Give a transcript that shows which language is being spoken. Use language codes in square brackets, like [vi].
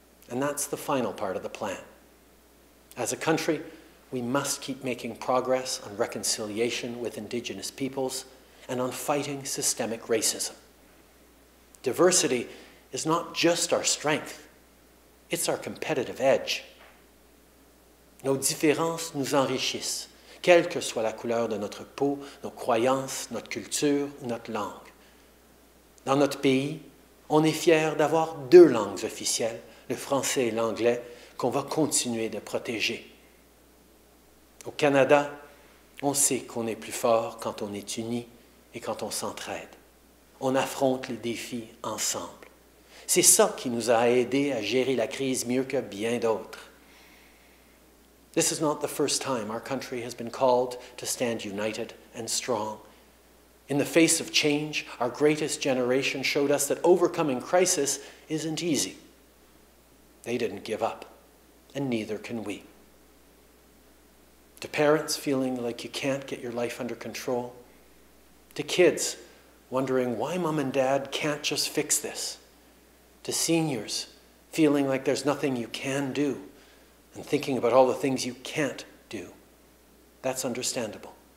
[en] And that's the final part of the plan. As a country, we must keep making progress on reconciliation with Indigenous peoples and on fighting systemic racism. Diversity is not just our strength, it's our competitive edge. [fr] Nos différences nous enrichissent, quelle que soit la couleur de notre peau, nos croyances, notre culture ou notre langue. Dans notre pays, on est fiers d'avoir deux langues officielles, le français et l'anglais, qu'on va continuer de protéger. Au Canada, on sait qu'on est plus fort quand on est unis et quand on s'entraide. On affronte les défis ensemble. C'est ça qui nous a aidés à gérer la crise mieux que bien d'autres. [en] This is not the first time our country has been called to stand united and strong. In the face of change, our greatest generation showed us that overcoming crisis isn't easy. They didn't give up, and neither can we. To parents feeling like you can't get your life under control, to kids wondering why mom and dad can't just fix this, to seniors feeling like there's nothing you can do and thinking about all the things you can't do, that's understandable.